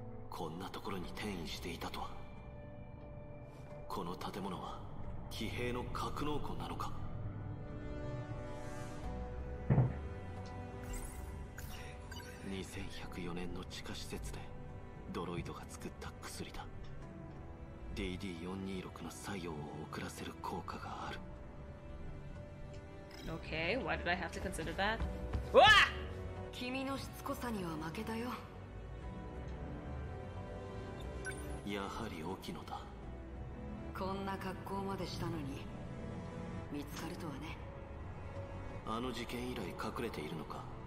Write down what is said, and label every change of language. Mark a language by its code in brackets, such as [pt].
[ja] こんなところに転移していたとは。この建物は騎兵の格納庫なのか。 2104年の地下施設でドロイドが作った薬だ。 DD426 の作用を遅らせる効果がある。 [en] OK, why did I have to consider that? わあ！ [ja] 君のしつこさには負けたよ。やはり沖野だ。こんな格好までしたのに見つかるとはね。あの事件以来隠れているのか。